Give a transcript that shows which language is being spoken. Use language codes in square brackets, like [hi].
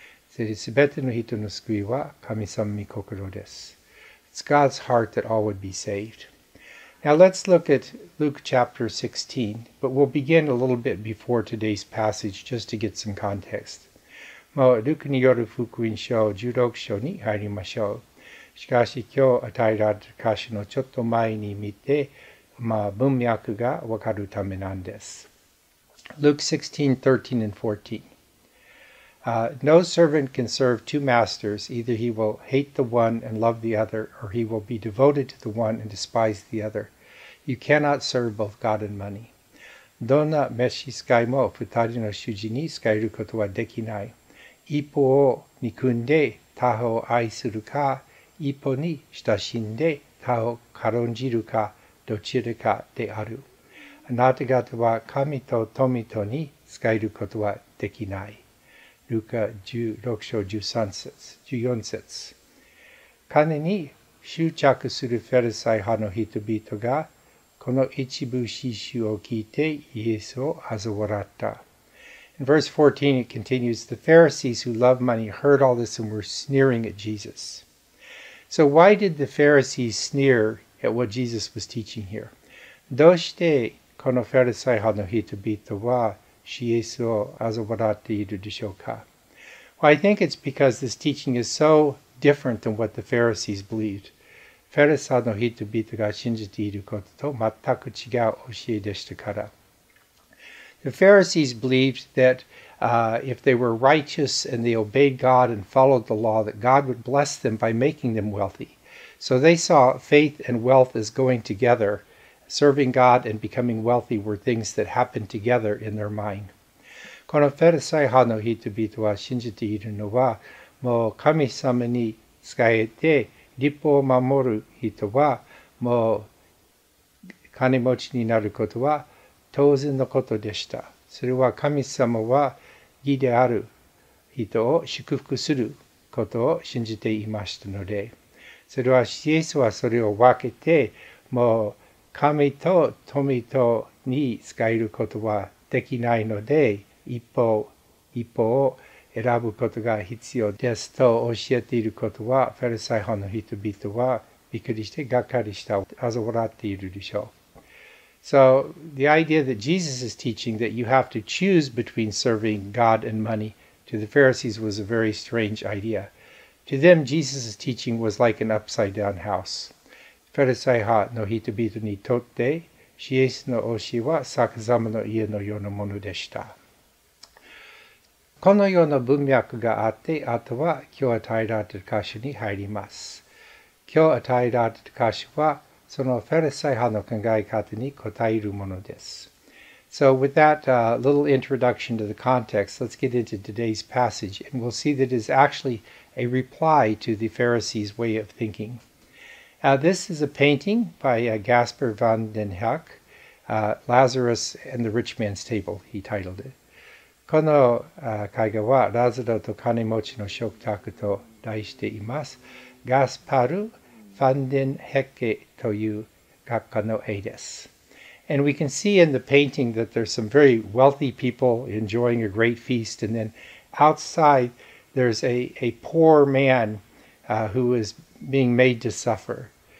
[ja] 全ての人の救いは神様の心です。 [en] It's God's heart that all would be saved. Now let's look at Luke chapter 16, but we'll begin a little bit before today's passage just to get some context. [ja] もうルクによる福音書16章に入りましょう。しかし今日与えられた箇所のちょっと前に見て、まあ文脈がわかるためなんです。 [en] Luke 16, 13 and 14. No servant can serve two masters. Either he will hate the one and love the other, or he will be devoted to the one and despise the other. You cannot serve both God and money. [ja] どんな召し使いも二人の主人に仕えることはできない。一方を憎んで他方を愛するか、一方に親しんで他方を軽んじるか、どちらかである。あなた方は神と富とに仕えることはできない。ルカ16章13節、14節。金に執着するフェルサイ派の人々が、この一部始終を聞いてイエスを嘲笑った。 [en] In verse 14, it continues, The Pharisees who loved money heard all this and were sneering at Jesus. So why did the Pharisees sneer at what Jesus was teaching here? [ja] どうしてこのファリサイ派の人々はイエスを嘲笑っているでしょうか? [en] Well, I think it's because this teaching is so different than what the Pharisees believed. [ja] ファリサイの人々が信じていることと全く違う教えでしたから。 [en] The Pharisees believed that if they were righteous and they obeyed God and followed the law, that God would bless them by making them wealthy. So they saw faith and wealth as going together. Serving God and becoming wealthy were things that happened together in their mind. [ja] このフェルサイ派の人々は信じているのは、もう神様に仕えて律法を守る人は、もう金持ちになることは当然のことでした。それは神様は義である人を祝福することを信じていましたので、それはイエスはそれを分けて、もう神と富とに仕えることはできないので、一方を選ぶことが必要ですと教えていることは、フェルサイ派の人々はびっくりしてがっかりした、あざ笑っているでしょう。 [en] So the idea that Jesus is teaching that you have to choose between serving God and money to the Pharisees was a very strange idea. To them, Jesus' teaching was like an upside-down house. [ja] ファリサイ派の人々にとって、イエスの教えは逆さまの家のようなものでした。このような文脈があって、あとは今日与えられた箇所に入ります。今日与えられた箇所は、そのファリサイ派の考え方に答えるものです。 [en] So with that little introduction to the context, let's get into today's passage, and we'll see that it is actually a reply to the Pharisees' way of thinking. This is a painting by Gaspar van den Heck, Lazarus and the Rich Man's Table, he titled it. [ja] この絵画は、ラザロと金持ちの食卓と題しています。ガスパル・ファンデン・ヘッケという画家の絵です。 [en] And we can see in the painting that there's some very wealthy people enjoying a great feast, and then outside there's a poor man who is being made to suffer.